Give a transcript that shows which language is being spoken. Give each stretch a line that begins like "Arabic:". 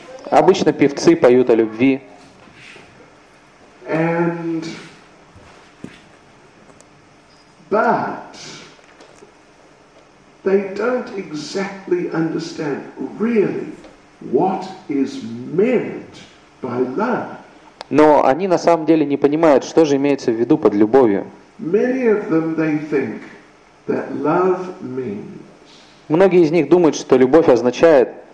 Russian: Обычно певцы поют о любви.
English: And, but, they don't exactly understand, really, what is meant by love.
Russian: Но они на самом деле не понимают, что же имеется в виду под любовью.
English: Many of them, they think that love means
Russian: Многие из них думают, что любовь означает